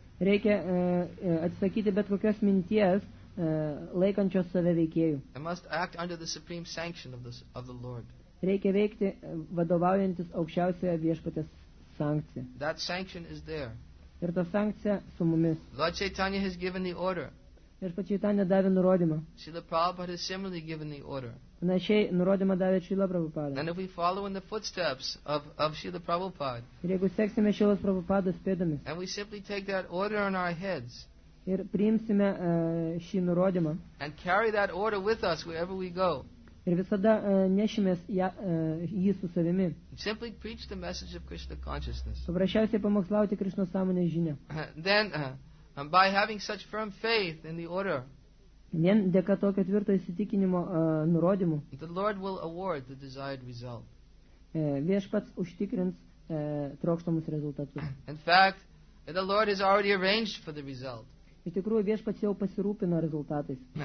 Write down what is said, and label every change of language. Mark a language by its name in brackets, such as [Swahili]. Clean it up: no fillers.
[Lithuanian] Reikia atsisakyti bet kokios minties laikančios save veikėjų. [English] I must act under the supreme sanction of the Lord. [Lithuanian] Reikia veikti vadovaujantis aukščiausioje viešpaties sankcija. [English] That sanction is there. [Lithuanian] Ir ta sankcija su mumis. [English] Lord Chaitanya has given the order. [Lithuanian] Ir Čaitanya davė nurodymą. [English] Srila Prabhupada has similarly given the order. [Lithuanian] Panašiai nurodymą davė Srila Prabhupada. [English] And if we follow in the footsteps of Srila Prabhupada. [Lithuanian] Ir jeigu seksime Srilos Prabhupados pėdomis. [English] And we simply take that order on our heads. [Lithuanian] Ir priimsime šį nurodymą. [English] And carry that order with us wherever we go. [Lithuanian] Ir visada nešimės jį su savimi. [English] Simply preach the message of Krishna consciousness. [Lithuanian] Paprasčiausiai pamokslauti Krishna sąmonės žinią. [English] Then and by having such firm faith in the order, [Lithuanian] vien dėka tokio tvirto įsitikinimo nurodymų, [English] the Lord will award the desired result. [Lithuanian] Viešpats užtikrins trokštamus rezultatus. [English] In fact, the Lord has already arranged for the result. [Lithuanian] Iš tikrųjų, Viešpats jau pasirūpino rezultatais.